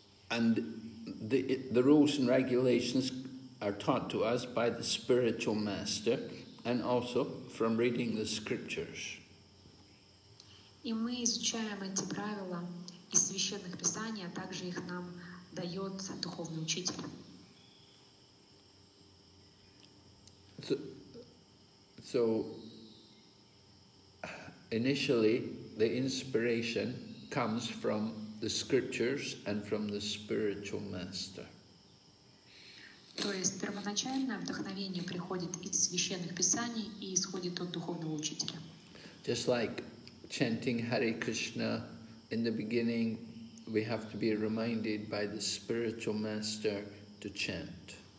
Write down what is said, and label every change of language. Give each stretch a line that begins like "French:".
English: And the rules and regulations are taught to us by the spiritual master and also from reading the scriptures.
Russian: И мы изучаем эти правила из священных писаний, а также их нам дает духовный учитель.
English: So initially the inspiration comes from the scriptures and from the spiritual master.
Russian: То есть первоначальное вдохновение приходит из священных писаний и исходит от духовного учителя.
English: Just like chanting Hare Krishna in the beginning, we have to be reminded by the spiritual master to chant.